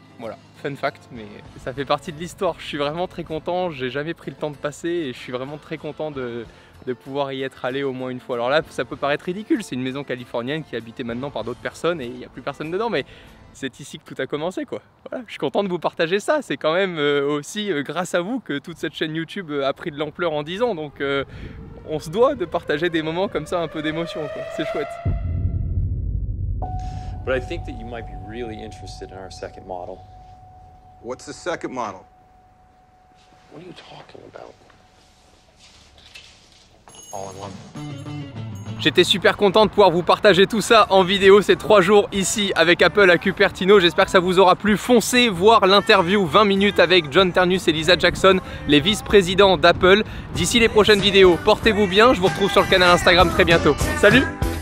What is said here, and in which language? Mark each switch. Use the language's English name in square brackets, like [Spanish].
[French] Voilà, fun fact, mais ça fait partie de l'histoire. Je suis vraiment très content, j'ai jamais pris le temps de passer et je suis vraiment très content de pouvoir y être allé au moins une fois. Alors là, ça peut paraître ridicule, c'est une maison californienne qui est habitée maintenant par d'autres personnes et il n'y a plus personne dedans, mais c'est ici que tout a commencé, quoi. Voilà, je suis content de vous partager ça, c'est quand même aussi grâce à vous que toute cette chaîne YouTube a pris de l'ampleur en 10 ans, donc on se doit de partager des moments comme ça, un peu d'émotion, quoi. C'est chouette. [English] But I think that you might be really interested in our second model. What's the second model? What are you talking about? All in one. [French] J'étais super content de pouvoir vous partager tout ça en vidéo ces 3 jours ici avec Apple à Cupertino. J'espère que ça vous aura plu. Foncez voir l'interview 20 minutes avec John Ternus et Lisa Jackson, les vice-présidents d'Apple. D'ici les prochaines vidéos, portez-vous bien. Je vous retrouve sur le canal Instagram très bientôt. Salut !